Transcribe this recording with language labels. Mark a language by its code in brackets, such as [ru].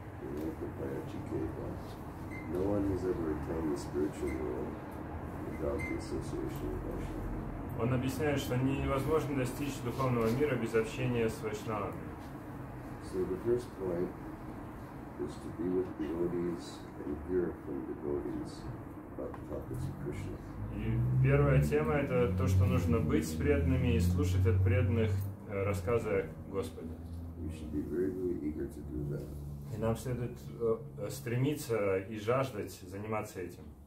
[en] No one has ever attained the spiritual world without the association with Vaishnava. [ru] Он объясняет, что невозможно достичь духовного мира без общения с Вайшнавами. [en] So the first point is to be with devotees and hear from devotees about the topics of Krishna. [ru] И первая тема это то, что нужно быть с преданными и слушать от преданных рассказы Господа. [en] You should be very, very eager to do that. [ru] И нам следует стремиться и жаждать заниматься этим.